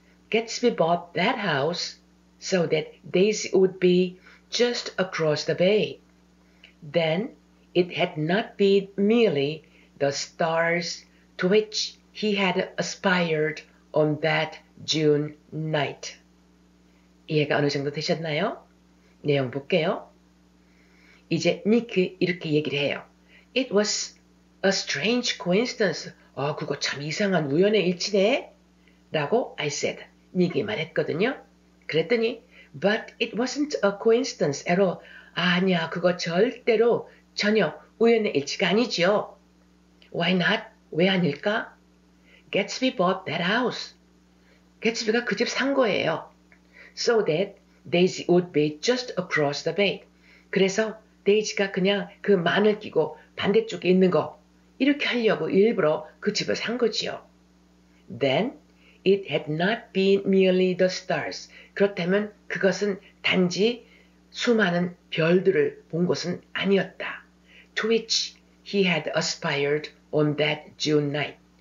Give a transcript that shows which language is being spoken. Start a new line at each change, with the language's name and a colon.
English: Gatsby bought that house so that Daisy would be just across the bay. Then it had not been merely the stars to which he had aspired on that June night.
Korean: 이해가 어느 정도 되셨나요? 내용 볼게요. 이제 니크 이렇게 얘기를 해요.
English: It was a strange coincidence.
Korean: 아, 그거 참 이상한 우연의 일치네. 라고
English: I said.
Korean: 니크 말했거든요. 그랬더니
English: But it wasn't a coincidence at all.
Korean: 아니야, 그거 절대로 전혀 우연의 일치가 아니죠.
English: Why not?
Korean: 왜 아닐까?
English: Gatsby bought that house.
Korean: Gatsby가 그 집 산 거예요.
English: So that Daisy would be just across the bay.
Korean: 그래서 데이지가 그냥 그 마늘 끼고 반대쪽에 있는 거 이렇게 하려고 일부러 그 집을 산 거지요.
English: Then it had not been merely the stars.
Korean: 그렇다면 그것은 단지 수많은 별들을 본 것은 아니었다.
English: To which he had aspired on that June night.